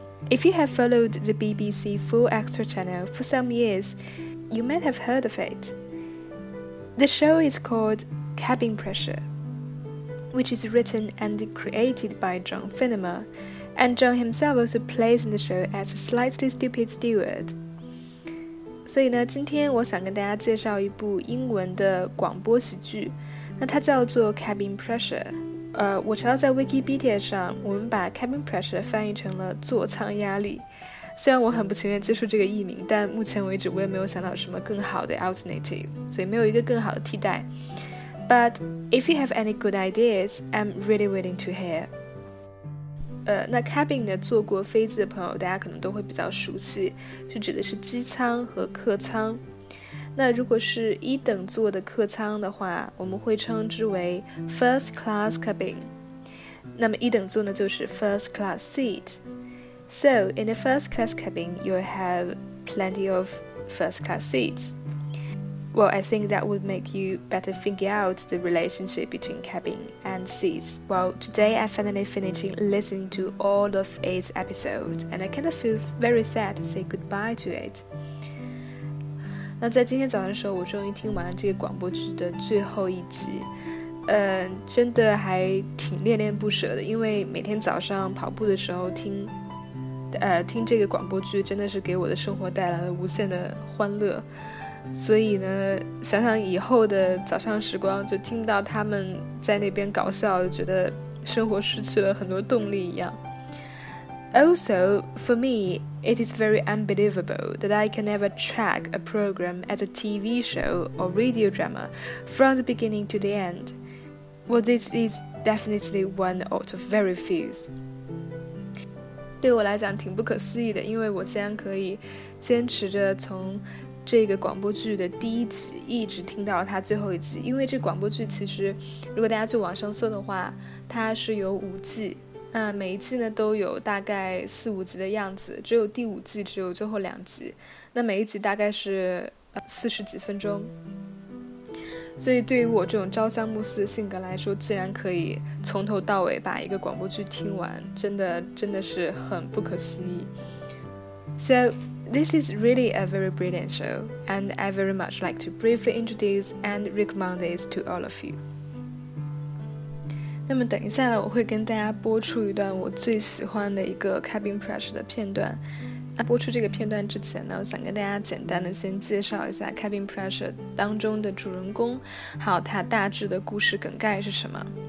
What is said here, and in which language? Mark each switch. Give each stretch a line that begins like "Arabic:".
English: If you have followed the BBC Full Extra channel for some years, you might have heard of it. The show is called Cabin Pressure, which is written and created by John Finnemer, and John himself also plays in the show as a slightly stupid steward.
Chinese: 所以呢，今天我想跟大家介绍一部英文的广播喜剧，那它叫做 Cabin Pressure。我查到在 Wikipedia 上，我们把 Cabin Pressure 翻译成了座舱压力。虽然我很不情愿接受这个译名，但目前为止我也没有想到什么更好的 alternative， 所以没有一个更好的替代。
English: But if you have any good ideas, I'm really willing to hear.
Chinese: 那 cabin 呢，坐过飞机的朋友，大家可能都会比较熟悉，是指的是机舱和客舱。那如果是一等座的客舱的话，我们会称之为 first class cabin。那么一等座呢，就是 first class seat。
English: So in a first class cabin, you have plenty of first class seats. Well, I think that would make you better figure out the relationship between cabin and seats. Well, today I finally finished listening to all of its episodes, and I kind of feel very sad to say goodbye to it.
Chinese: 那在今天早上的时候，我终于听完了这个广播剧的最后一集。真的还挺恋恋不舍的，因为每天早上跑步的时候听这个广播剧，真的是给我的生活带来了无限的欢乐。所以呢，想想以后的早上时光，就听到他们在那边搞笑，觉得生活失去了很多动力一样。
English: Also, for me, it is very unbelievable that I can ever track a program as a TV show or radio drama from the beginning to the end. Well, this is definitely one out of very few.
Chinese: 对我来讲挺不可思议的，因为我竟然可以坚持着从这个广播剧的第一集一直听到它最后一集。因为这广播剧其实如果大家去网上搜的话，它是有五季，那每一季呢都有大概四五集的样子，只有第五季只有最后两集，那每一集大概是40几分钟。所以对于我这种朝三暮四的性格来说，竟然可以从头到尾把一个广播剧听完，真的是很不可思议。
English: So this is really a very brilliant show, and I very much like to briefly introduce and recommend this to all of you.
Chinese: 那么等一下呢，我会跟大家播出一段我最喜欢的一个 Cabin Pressure 的片段。播出这个片段之前呢，我想跟大家简单的先介绍一下 Cabin Pressure 当中的主人公，还有他大致的故事梗概是什么。